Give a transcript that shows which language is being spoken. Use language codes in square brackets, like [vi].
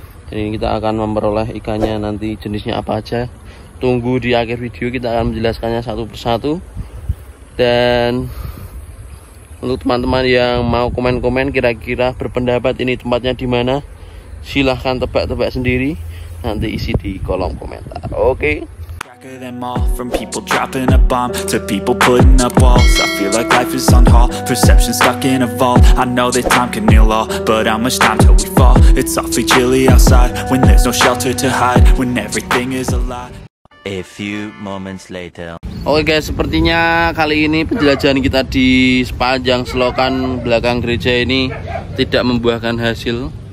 [id] Jadi kita akan memperoleh ikannya nanti jenisnya apa aja. Tunggu di akhir video, kita akan menjelaskannya satu persatu. Dan untuk teman-teman yang mau komen-komen kira-kira berpendapat ini tempatnya di mana, silahkan tebak-tebak sendiri, nanti isi di kolom komentar. Oke. [en] Them all, from people dropping a bomb to people putting up walls. I feel like life is on hold, perception stuck in a vault. I know that time can heal all, but how much time till we fall? It's awfully chilly outside when there's no shelter to hide, when everything is a lie. A few moments later. [id] Oke guys, sepertinya kali ini penjelajahan kita di sepanjang selokan belakang gereja ini tidak membuahkan hasil.